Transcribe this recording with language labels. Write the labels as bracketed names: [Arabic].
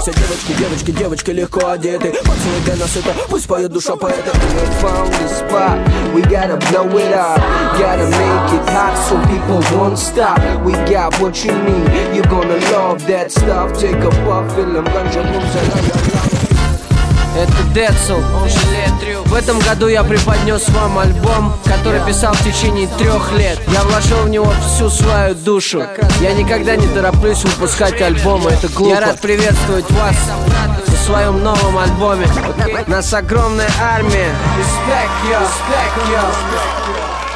[Russian] Все девочки легко одеты. Поцелуй для нас это, пусть поет душа поэта. [English] We found the spot, we gotta blow it up. Gotta make it hot, so people won't stop. We got what you need, you're gonna love that stuff. Take a puff, fill them, ganja, lose it. [Russian] Это Децл, в этом году я преподнес вам альбом, который писал в течение 3 лет. Я вложил в него всю свою душу. Я никогда не тороплюсь выпускать альбомы, это глупо. Я рад приветствовать вас в своем новом альбоме. Нас огромная армия. [English] Respect, yo.